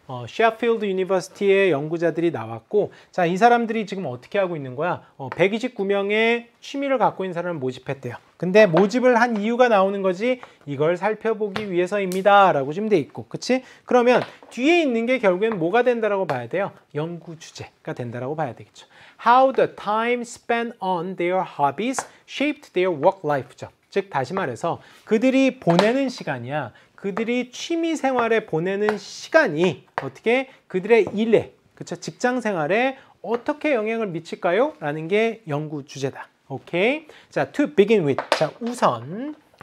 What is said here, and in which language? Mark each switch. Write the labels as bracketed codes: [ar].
[ko] Sheffield University의 연구자들이 나왔고, 자, 이 사람들이 지금 어떻게 하고 있는 거야? 129명의 취미를 갖고 있는 사람을 모집했대요. 근데 모집을 한 이유가 나오는 거지, 이걸 살펴보기 위해서입니다 라고 지금 돼 있고, 그치? 그러면 뒤에 있는 게 결국엔 뭐가 된다라고 봐야 돼요? 연구 주제가 된다라고 봐야 되겠죠. [en] How the time spent on their hobbies shaped their work life죠. [ko] 즉, 다시 말해서 그들이 보내는 시간이야. 그들이 취미 생활에 보내는 시간이 어떻게 그들의 일에, 그쵸? 직장 생활에 어떻게 영향을 미칠까요? 라는 게 연구 주제다. 오케이. 자, [en] to begin with. [ko] 자, 우선.